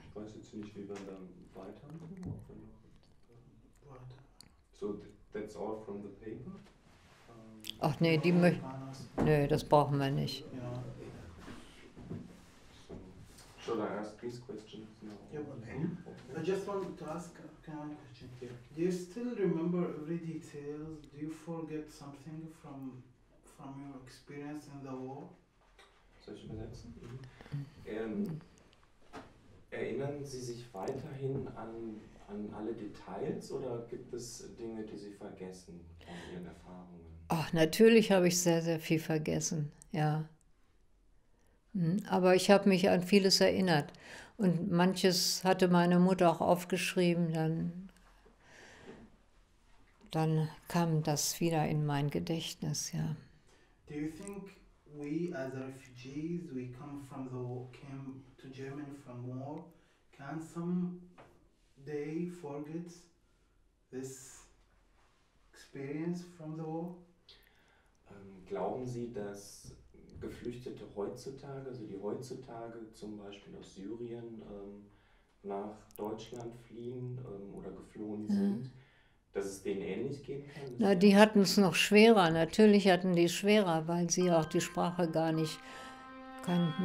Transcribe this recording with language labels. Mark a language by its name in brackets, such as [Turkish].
[German] Ich weiß jetzt nicht, wie wir dann weitermachen, auch wenn noch. [English] So, that's all from the paper. [German] Ach nee, die möchte. Nö, das brauchen wir nicht. [English] Should I ask these questions now? Yeah, well, Okay. I just wanted to ask, can I question? Do you still remember every details? Do you forget something from your experience in the war? [German] Soll ich übersetzen? Erinnern Sie sich weiterhin an alle Details oder gibt es Dinge, die Sie vergessen von Ihren Erfahrungen? Ach, natürlich habe ich sehr, sehr viel vergessen, ja. Aber ich habe mich an vieles erinnert. Und manches hatte meine Mutter auch aufgeschrieben. Dann kam das wieder in mein Gedächtnis, ja. [English] Do you think we as refugees, we come from the war, came to Germany from war, can some day forget this experience from the war? [German] Glauben Sie, dass Geflüchtete heutzutage, also die heutzutage zum Beispiel aus Syrien nach Deutschland fliehen oder geflohen sind, dass es denen ähnlich gehen kann, dass Na, sie die dann hatten es noch schwerer. Natürlich hatten die es schwerer, weil sie auch die Sprache gar nicht kannten.